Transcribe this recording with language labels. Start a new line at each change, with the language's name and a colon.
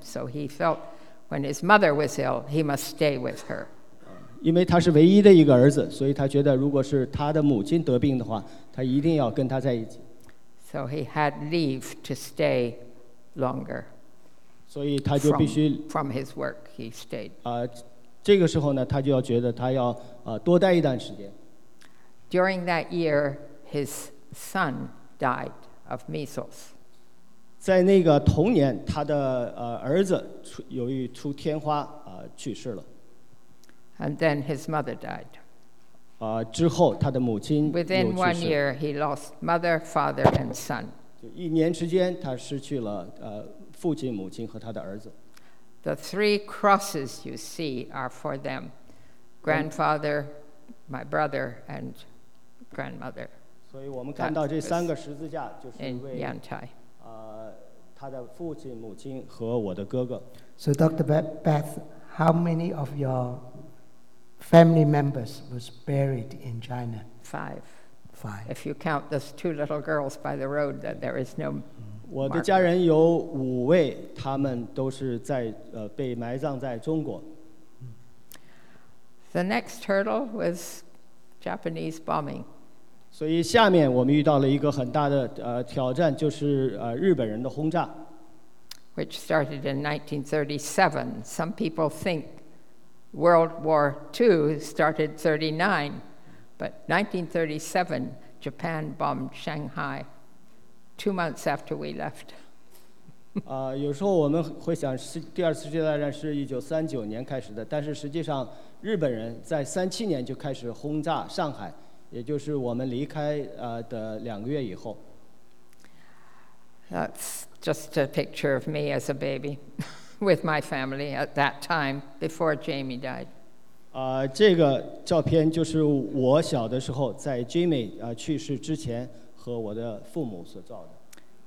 English: So he felt when his mother was ill, he must stay with her.
Chinese: 因为他是唯一的一个儿子，所以他觉得如果是他的母亲得病的话，他一定要跟他在一起。
English: So he had leave to stay longer.
Chinese: 所以他就必须
English: from his work he stayed.
Chinese: 这个时候呢，他就要觉得他要多待一段时间。
English: During that year, his son died of measles.
Chinese: 在那个同年，他的儿子由于出天花去世了。
English: And then his mother died.
Chinese: 之后他的母亲又去世。
English: Within 1 year, he lost mother, father, and son.
Chinese: 一年之间，他失去了父亲、母亲和他的儿子。
English: The three crosses you see are for them, grandfather, my brother, and grandmother.
Chinese: 所以我们看到这三个十字架就是为
English: Yantai.
Chinese: 他的父亲、母亲和我的哥哥。
English: So Dr. Beth, how many of your family members was buried in China? Five. If you count those two little girls by the road, then there is no.
Chinese: 我的家人有五位，他们都是在被埋葬在中国。
English: The next hurdle was Japanese bombing.
Chinese: 所以下面我们遇到了一个很大的挑战，就是日本人的轰炸。
English: Which started in 1937. Some people think World War II started 39, but 1937, Japan bombed Shanghai 2 months after we left.
Chinese: 有时候我们会想第二次世界大战是1939年开始的，但是实际上日本人在37年就开始轰炸上海，也就是我们离开的两个月以后。
English: That's just a picture of me as a baby. With my family at that time, before Jamie died.
Chinese: 这个照片就是我小的时候，在 Jamie 去世之前和我的父母所照的。